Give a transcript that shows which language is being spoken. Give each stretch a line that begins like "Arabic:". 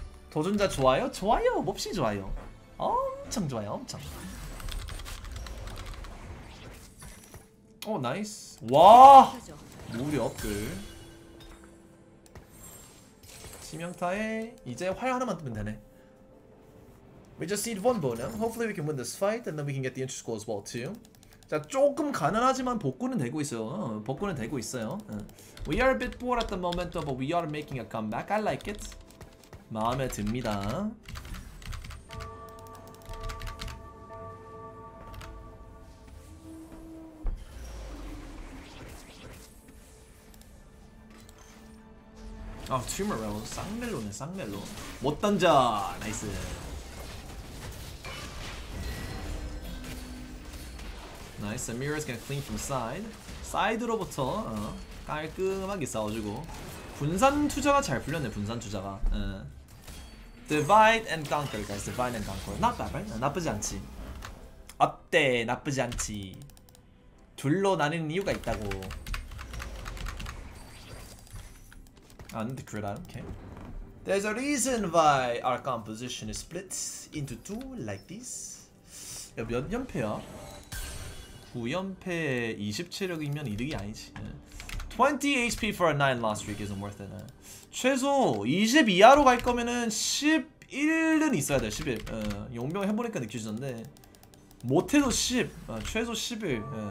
Korean: 도전자 좋아요? 좋아요! 몹시 좋아요. 엄청 좋아요. 엄청. 오 나이스. 와 물이 업글 치명타에 이제 활 하나만 뜨면 되네.
English: We just need one bow now. Hopefully we can win this fight and then we can get the entry score as well too.
Korean: 자 조금 가난하지만 복구는 되고 있어요. 복구는 되고 있어요.
English: We are a bit poor at the moment though, but we are making a comeback. I like it.
Korean: 마음에 듭니다. 아, 튜머로 쌍멜로네, 쌍멜로. 못 던져. 나이스.
English: 나이스. Mirror's gonna clean from side.
Korean: 사이드로부터 어, 깔끔하게 싸워 주고. 분산 투자가 잘 풀렸네, 분산 투자가.
English: 어. Divide and conquer, guys. Divide and conquer.
Korean: 나쁘지 않지. 어때? 나쁘지 않지. 둘로 나뉘는 이유가 있다고. 아, 근데 그래도 안 오케이.
English: There's a reason why our composition is split into two like this.
Korean: 야, 몇 연패야? 9연패 20체력이면 이득이 아니지.
English: 20 HP for a 9 loss streak isn't worth it.
Korean: 최소 20 이하로 갈 거면은 11은 있어야 돼. 11. 용병 해보니까 느껴지는데 못해도 10. 최소 11.